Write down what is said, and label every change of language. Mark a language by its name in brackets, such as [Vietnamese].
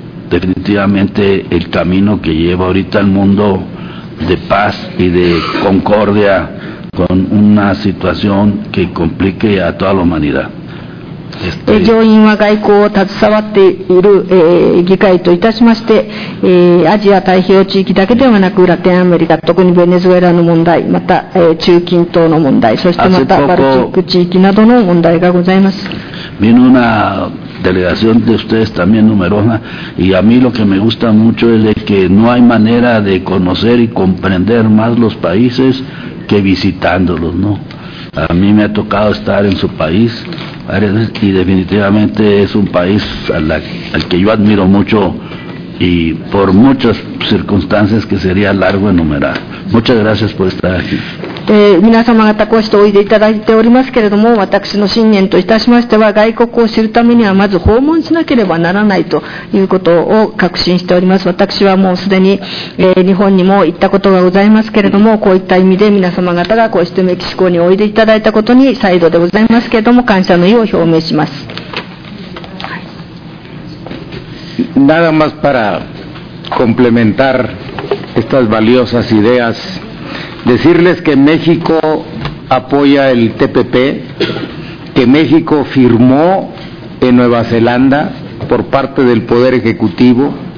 [Spanish] definitivamente el camino que lleva ahorita el mundo de paz y de concordia con una situación que complique a toda la humanidad. [Japanese] 上院は外交を携わっている、議会といたしまして、アジア太平洋地域だけではなくラテンアメリカ、特にベネズエラの問題、また、中近東の問題、そしてまたバルチック地域などの問題がございます。 [Spanish] Vino una delegación de ustedes también numerosa, y a mí lo que me gusta mucho es de que no hay manera de conocer y comprender más los países que visitándolos, ¿no? A mí me ha tocado estar en su país. Y definitivamente es un país al que yo admiro mucho y por muchas circunstancias que sería largo enumerar. Muchas gracias por estar aquí. [Japanese] 皆様方こうしておいでいただいておりますけれども、私の信念といたしましては、外国を知るためにはまず訪問しなければならないということを確信しております。私はもうすでに、日本にも行ったことがございますけれども、こういった意味で皆様方がこうしてメキシコにおいでいただいたことに再度でございますけれども感謝の意を表明します。 [Spanish] Nada más para complementar estas valiosas ideasDecirles que México apoya el TPP, que México firmó en Nueva Zelanda por parte del Poder Ejecutivo